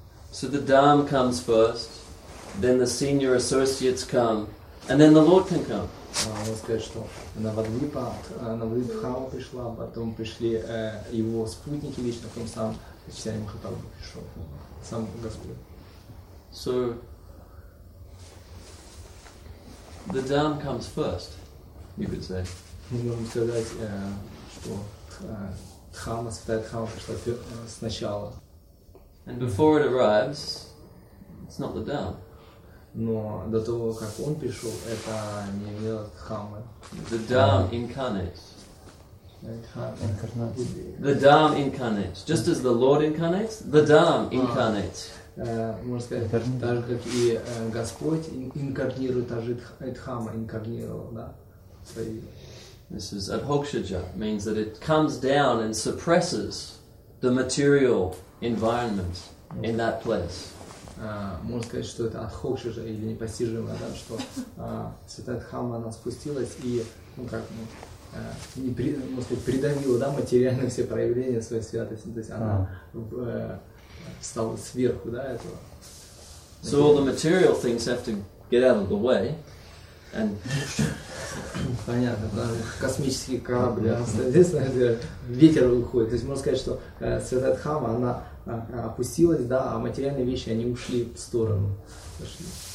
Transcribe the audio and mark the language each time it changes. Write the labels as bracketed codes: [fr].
[en] So the Dham comes first, then the senior associates come, and then the Lord can come. [ru] Он сказал, что на Вадвипхау пришла, потом пришли его спутники лично, потом сам Чайтанья Махапрабху пришел, сам Господь. [en] So, the Dham comes first, you could say. [ru] Мы можем сказать, что Дхамма, Святая Дхамма пришла сначала. [en] And before it arrives, it's not the Dham. [ru] Но до того, как он пришел, это не имело Дхаммы. [en] The Dham incarnates. Incarnate. The Dham incarnates. Just as the Lord incarnates, the Dham incarnates. [ru] Можно сказать, так же, как и Господь инкарнирует, так же и Дхамма инкарнировал, да? Свои. [en] This is Adhokshaja, means that it comes down and suppresses the material environment in that place. [ru] Можно сказать, что это Адхокшиджа или непостижимое, да, что Святая Дхамма она спустилась и, ну как, ну, не при, можно сказать, придавила, да, материально все проявления своей святости, то есть она встала сверху, да, этого. [en] So all the material things have to get out of the way. And [ru] понятно, да, космические корабли, соответственно, ветер уходит. То есть можно сказать, что Святая Дхамма, она опустилась, да, а материальные вещи, они ушли в сторону. Пошли.